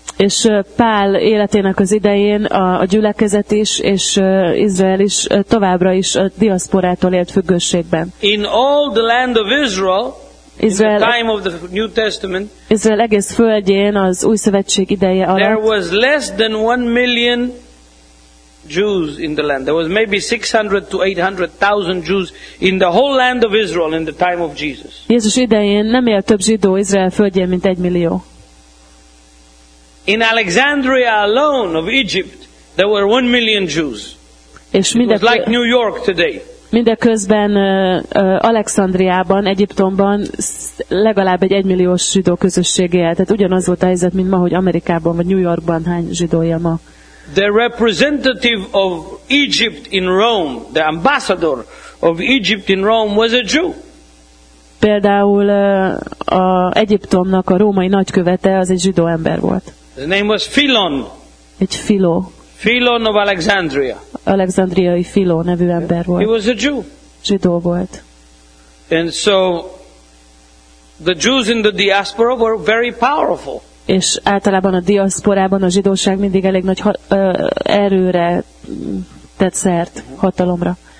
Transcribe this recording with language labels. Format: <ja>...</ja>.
<hu>És Pál életének az idején a gyülekezet is, és Izrael is továbbra is a diaszporától élt függőségben.</hu> <en>In all the land of Israel, Izrael, in the time of the New Testament,</en> <hu>Izrael egész földjén az Új Szövetség ideje alatt,</hu> <en>there was less than 1 million Jews in the land. There was maybe 600,000 to 800,000 Jews in the whole land of Israel in the time of Jesus.</en> <hu>Jézus idején nem élt több zsidó Izrael földjén, mint 1 millió.</hu> <en>In Alexandria alone of Egypt, there were 1 million Jews. It was like New York today.</en> <hu>Mindeközben Alexandriában, Egyiptomban legalább egy 1 milliós zsidó közösség élt. Tehát ugyanaz volt a helyzet, mint ma, hogy Amerikában vagy New Yorkban hány zsidó él ma.</hu> <en>The representative of Egypt in Rome, the ambassador of Egypt in Rome was a Jew.</en> <hu>Például a Egyiptomnak a római nagykövete az egy zsidó ember volt.</hu> <en>His name was Philon.</en> <hu>Egy Philo.</hu> <en>Philon of Alexandria.</en> <hu>Alexandriai Philo nevű ember volt.</hu> <en>He was a Jew.</en> <hu>Zsidó volt.</hu> <en>And so the Jews in the diaspora were very powerful.</en> <hu>És általában a diaszporában a zsidóság mindig elég nagy erőre tett szert, hatalomra.</hu>